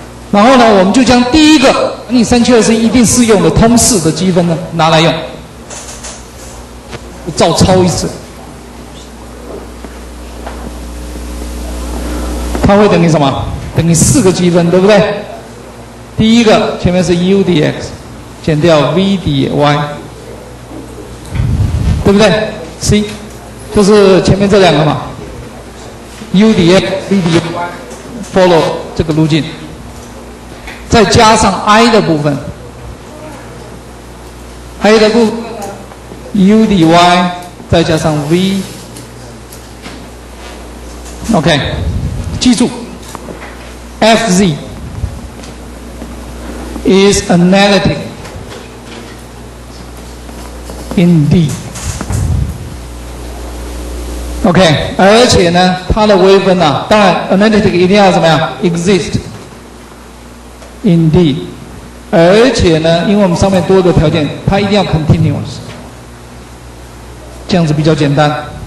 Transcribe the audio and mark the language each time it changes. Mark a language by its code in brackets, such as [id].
[zh] 然后呢，我们就将第一个乘以三七二十一定适用的通式的积分呢拿来用，照抄一次，它会等于什么？等于四个积分，对不对？第一个前面是 u dx 减掉 v dy， 对不对？ c 就是前面这两个嘛， u dx v dy follow 这个路径，再加上 i 的部分， i 的部分 u dy 再加上 v， OK， 记住 [en] FZ is analytic in D. [zh] OK， 而且呢，它的微分呢、啊，当然 analytic 一定要怎么样 [en] exist in D. [zh] 而且呢，因为我们上面多的条件，它一定要 continuous， 这样子比较简单。